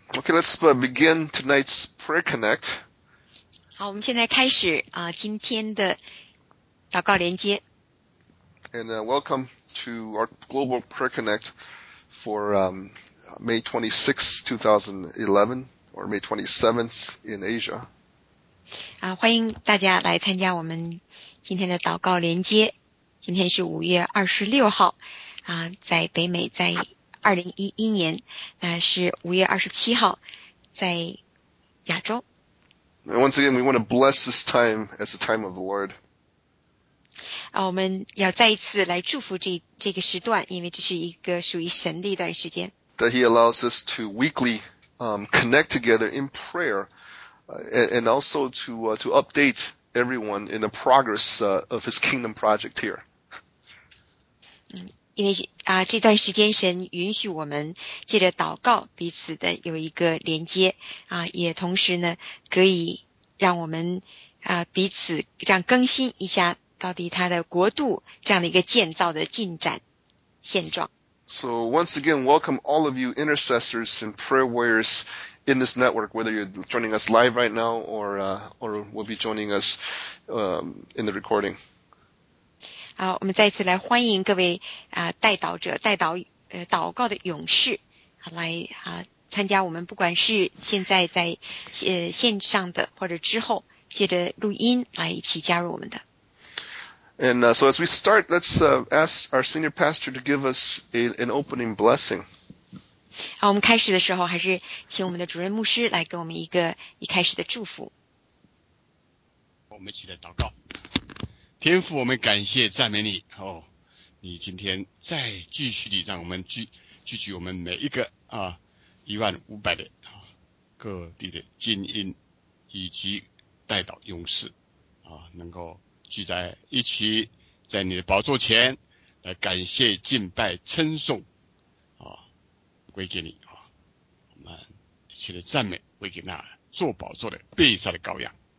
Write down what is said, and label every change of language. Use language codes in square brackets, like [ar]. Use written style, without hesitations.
[en] Okay, let's begin tonight's prayer connect. [zh] 好，我们现在开始啊，今天的祷告连接。 [en] And welcome to our global prayer connect for May 26, 2011, or May 27th in Asia. [zh] 啊，欢迎大家来参加我们今天的祷告连接。今天是5月26号，啊，在北美，在2011年，那是5月27号在亚洲。 [en] And once again, we want to bless this time as the time of the Lord. [zh] 我们要再一次来祝福这个时段，因为这是一个属于神的一段时间。 [en] That he allows us to weekly connect together in prayer, and also to update everyone in the progress of his kingdom project here. [zh] 因为这段时间神允许我们借着祷告彼此的有一个连接啊，也同时呢可以让我们彼此这样更新一下到底他的国度这样的一个建造的进展现状。 [en] So once again, welcome all of you intercessors and prayer warriors in this network, whether you're joining us live right now or will be joining us in the recording. [zh] 好，我们再次来欢迎各位代祷者、代祷祷告的勇士来参加我们，不管是现在在线上的，或者之后借着录音来一起加入我们的。 [en] And so as we start, let's ask our senior pastor to give us an opening blessing. [zh] 好，我们开始的时候还是请我们的主任牧师来给我们一开始的祝福。我们一起来祷告。天父，我们感谢赞美你哦！你今天再继续地让我们聚集我们每一个1500的各地的精英以及代祷勇士能够聚在一起，在你的宝座前来感谢、敬拜、称颂归给你我们一切的赞美归给那坐宝座的被杀的羔羊。